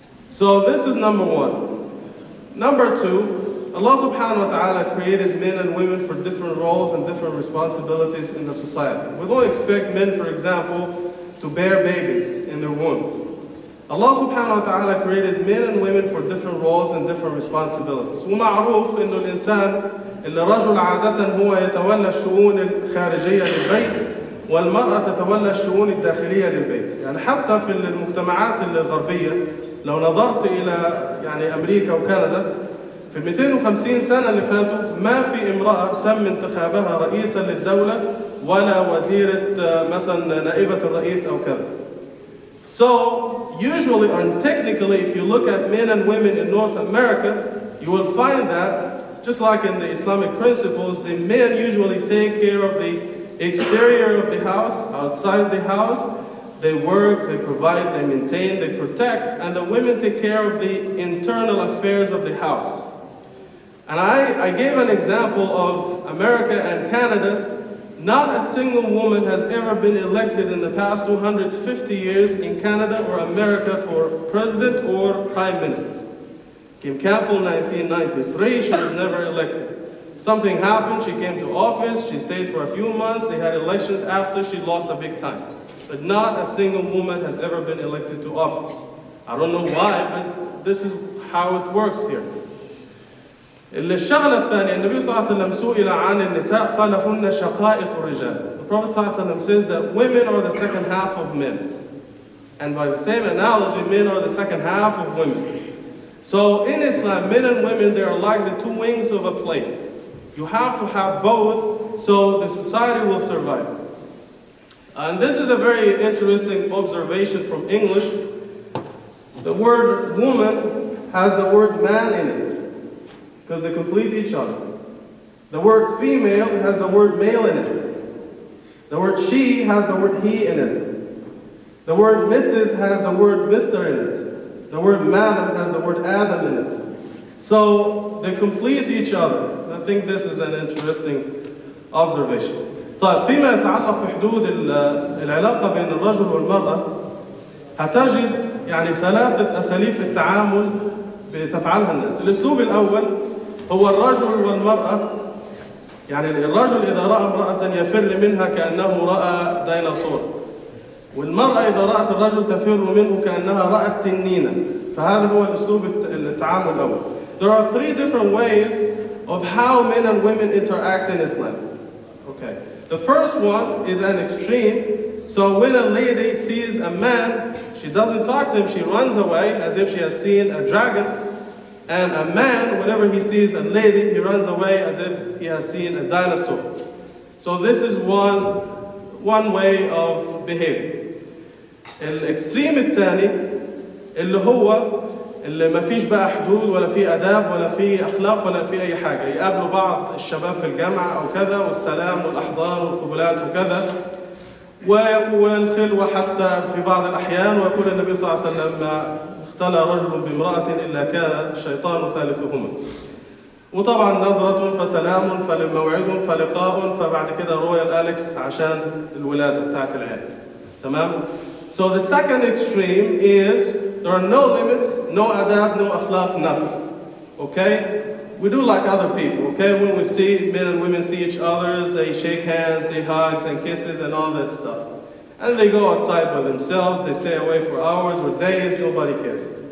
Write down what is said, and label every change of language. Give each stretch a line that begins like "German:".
English: So this is number one. Number two, Allah subhanahu wa ta'ala created men and women for different roles and different responsibilities in the society. We don't expect men, for example, to bear babies in their wombs. Allah subhanahu wa ta'ala created men and women for different roles and different responsibilities.
Arabic: ومعروف إن الإنسان اللي رجل عادة هو يتولى الشؤون الخارجية للبيت والمرأة تتولى الشؤون الداخلية للبيت. يعني حتى في المجتمعات الغربية لو نظرت إلى يعني أمريكا وكندا في 250 سنة اللي فاتوا ما في امرأة تم انتخابها رئيسا للدولة ولا وزيرة مثلا نائبة الرئيس أو كذا.
English: So usually and technically if you look at men and women in North America, you will find that just like in the Islamic principles, the men usually take care of the exterior of the house, outside the house, they work, they provide, they maintain, they protect, and the women take care of the internal affairs of the house. And I gave an example of America and Canada. Not a single woman has ever been elected in the past 250 years in Canada or America for president or prime minister. Kim Campbell, 1993, she was never elected. Something happened, she came to office, she stayed for a few months, they had elections after, she lost a big time. But not a single woman has ever been elected to office. I don't know why, but this is how it works here.
Arabic: الشغلة الثانية النبي صلى الله عليه وسلم سئل عن النساء قال هن شقائق الرجال.
English: The Prophet
Arabic: صلى الله عليه وسلم
English: says that women are the second half of men. And by the same analogy, men are the second half of women. So in Islam, men and women, they are like the two wings of a plane. You have to have both so the society will survive. And this is a very interesting observation from English. The word woman has the word man in it, because they complete each other. The word female has the word male in it. The word she has the word he in it. The word Mrs. has the word Mr. in it. The word Madam has the word Adam in it. So they complete each other. I think this is an interesting observation.
Arabic: طيب فيما يتعلق في حدود العلاقة بين الرجل والمرأة هتجد يعني ثلاثة أساليب التعامل بتفعلها الناس. الأسلوب الأول هو الرجل والمرأة يعني الرجل إذا رأى امرأة يفر منها كأنه رأى ديناصور والمرأة إذا رأت الرجل تفر منه كأنها رأت تنينا فهذا هو الأسلوب التعامل الأول.
English: There are three different ways of how men and women interact in Islam. Okay. The first one is an extreme. So when a lady sees a man, she doesn't talk to him, she runs away as if she has seen a dragon. And a man, whenever he sees a lady, he runs away as if he has seen a dinosaur. So this is one way of behaving.
Arabic: الاكستريم الثاني اللي هو اللي ما فيش بقى حدود ولا في اداب ولا في اخلاق ولا في اي حاجه يقابلوا بعض الشباب في الجامعه او كذا والسلام والاحضان والقبلات وكذا ويقول خلوه حتى في بعض الاحيان ويقول النبي صلى الله عليه وسلم ما اختلى رجل بامراه الا كان الشيطان ثالثهما وطبعا نظره فسلام فلموعد فلقاء فبعد كده رويال اليكس عشان الولاده بتاعت العيال تمام.
English: So the second extreme is there are no limits, no adab, no akhlaq, nothing. Okay? We do like other people, okay? When we see men and women see each other, they shake hands, they hug and kisses and all that stuff. And they go outside by themselves, they stay away for hours or days, nobody cares.